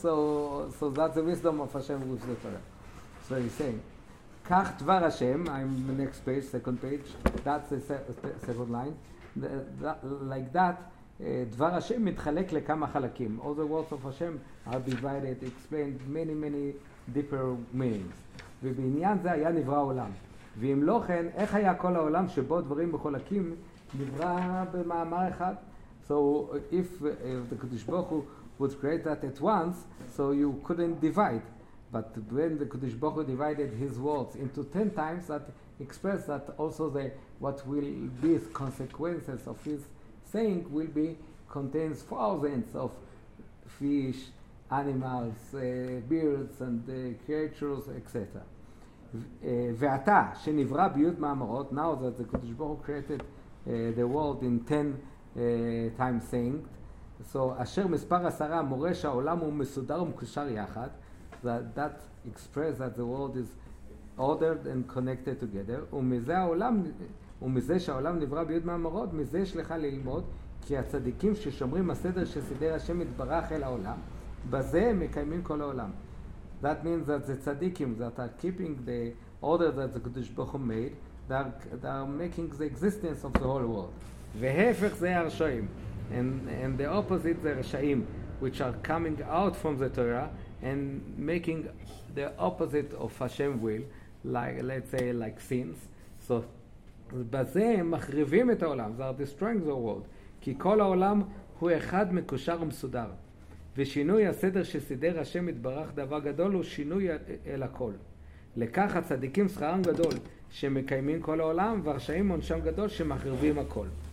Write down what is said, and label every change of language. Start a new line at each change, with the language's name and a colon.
English: So that's the wisdom of Hashem with the Torah. So he's saying,
Hebrew: "Kach Dvar Hashem."
English: I'm the next page, second page. That's the second line.
Hebrew: Dvar Hashem mitchalek lekama chalakim.
English: All the words of Hashem are divided, explained many many deeper meanings.
Hebrew: ובעניין זה היה נברא עולם. ואם לא כן, איך היה כל העולם שבו דברים מחולקים נברא במאמר אחד?
English: So if the Kodesh Baruch Hu would create that at once, so you couldn't divide. But when the Kodesh Baruch Hu divided his words into 10 times, that expressed that also the what will be the consequences of his saying will be contains thousands of fish, animals, birds and creatures, etc.
Hebrew: ואתה שנברא ביוד מאמרות,
English: now that the Kodesh Baruch Hu created the world in 10 times saying, so
Hebrew: אשר מספר עשרה מורה שהעולם הוא מסודר ומקושר יחד,
English: that express that the world is ordered and connected together,
Hebrew: ומזה שהעולם נברא ביוד מאמרות, מזה יש לך ללמוד, כי הצדיקים ששומרים הסדר שסידר השם יתברך אל העולם, בזה הם מקיימים כל העולם.
English: That means that the tzaddikim that are keeping the order that the Kodesh Baruch Hu made, they are making the existence of the whole world.
Hebrew: והפך זה הרשעים.
English: And the opposite
Hebrew: זה הרשעים,
English: which are coming out from the Torah and making the opposite of Hashem will, like, let's say, like sins. So,
Hebrew: בזה הם מחריבים את העולם,
English: they are destroying the world.
Hebrew: כי כל העולם הוא אחד מקושר ומסודר. ושינוי הסדר שסידר השם יתברך דבר גדול הוא שינוי אל הכל. לכך הצדיקים שכרם גדול שמקיימים כל העולם והרשעים עונשם גדול שמחריבים הכל.